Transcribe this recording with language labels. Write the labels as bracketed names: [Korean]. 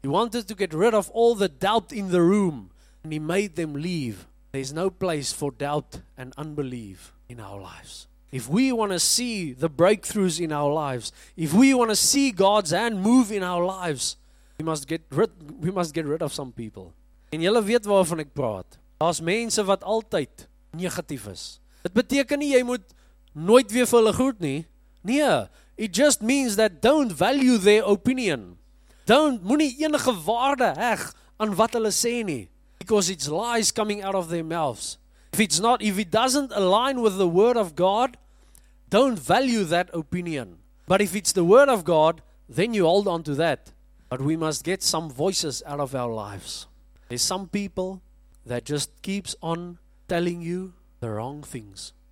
[English] He wanted to get rid of all the doubt in the room. And he made them leave. There's no place for doubt and unbelief in our lives. If we want to see the breakthroughs in our lives, if we want to see God's hand move in our lives, we must get rid of some people. [Afrikaans] En julle weet waarvan ek praat. Daar's mense wat altyd negatief is. Dit beteken nie jy moet nooit weer vir hulle goed nie. Nee, [English] it just means that don't value their opinion. [Afrikaans] Moenie enige waarde heg aan wat hulle sê nie. [English] Because it's lies coming out of their mouths. If it doesn't align with the word of God, don't value that opinion. But if it's the word of God, then you hold on to that. But we must get some voices out of our lives. There's some people that just keeps on telling you the wrong things.